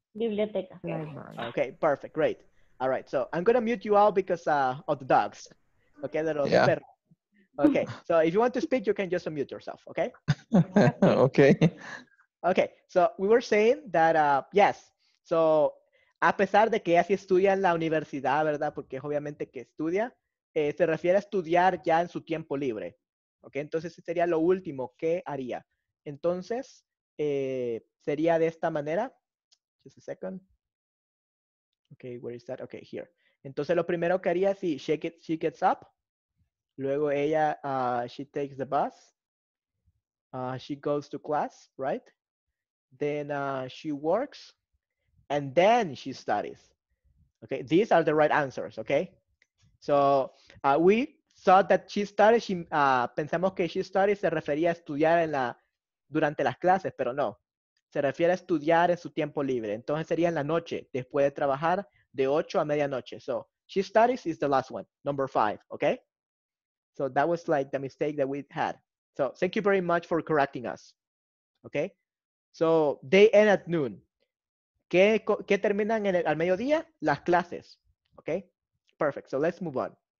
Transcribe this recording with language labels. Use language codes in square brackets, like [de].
[es] Biblioteca. [en] Okay, perfect, great. All right, so I'm going to mute you all because of the dogs. Okay, [es] de los perros. [en] Okay, so if you want to speak, you can just unmute yourself, okay? Okay. Okay, so we were saying that, yes, so... [es] A pesar de que ella sí estudia en la universidad, ¿verdad? Porque es obviamente que estudia, se refiere a estudiar ya en su tiempo libre. ¿Ok? Entonces, sería lo último que haría. Entonces, sería de esta manera. [en] Just a second. Ok, where is that? Ok, here. [es] Entonces, lo primero que haría, sí, [en] she gets up. [es] Luego ella, [en] she takes the bus. She goes to class, right? Then she works. And then she studies. Okay, these are the right answers, okay? So we saw that she studies, [es] pensamos que [en] she studies [es] se refería a estudiar durante las clases, pero no. Se refiere a estudiar en su tiempo libre. Entonces sería en la noche, después de trabajar de 8 a medianoche. [en] So she studies is the last one, number 5, okay? So that was like the mistake that we had. So thank you very much for correcting us, okay? So they end at noon. [es] ¿Qué terminan al mediodía? Las clases. [en] Okay? Perfect. So let's move on.